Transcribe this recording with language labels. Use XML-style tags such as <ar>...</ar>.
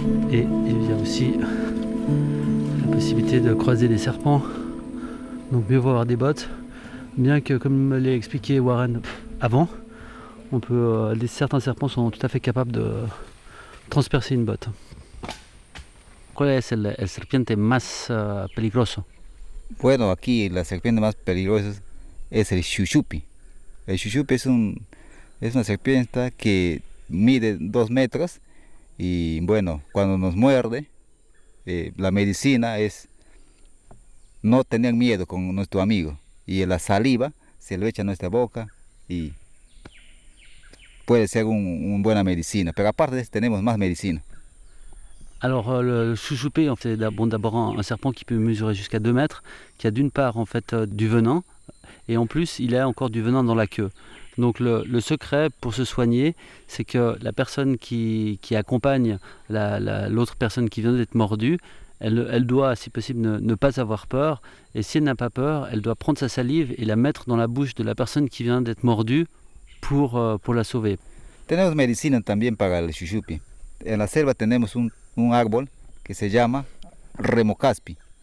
<fr>Et il y a aussi la possibilité de croiser des serpents. Donc mieux vaut avoir des bottes. Bien que, comme me l'a expliqué Warren avant, certains serpents sont tout à fait capables de transpercer une botte.</fr> <es>¿Cuál es el serpiente más peligroso? Bueno, aquí la serpiente más peligrosa es el chuchupi. El chuchupi es una serpiente que mide 2 metros y bueno, cuando nos muerde, la medicina es no tener miedo con nuestro amigo. Y la saliva se lo echa a nuestra boca y puede ser una buena medicina. Pero aparte de eso, tenemos más medicina.</es> <fr>Alors le chouchoupé, en fait, d'abord un serpent qui peut mesurer jusqu'à 2 mètres, qui a d'une part en fait du venin, et en plus il a encore du venin dans la queue. Donc le secret pour se soigner, c'est que la personne qui accompagne l'autre personne qui vient d'être mordue, elle doit si possible ne pas avoir peur, et si elle n'a pas peur, elle doit prendre sa salive et la mettre dans la bouche de la personne qui vient d'être mordue pour la sauver.</fr> <es>Tenemos medicina también para el chouchoupé. En la selva tenemos un árbol que se llama remocaspi.</es>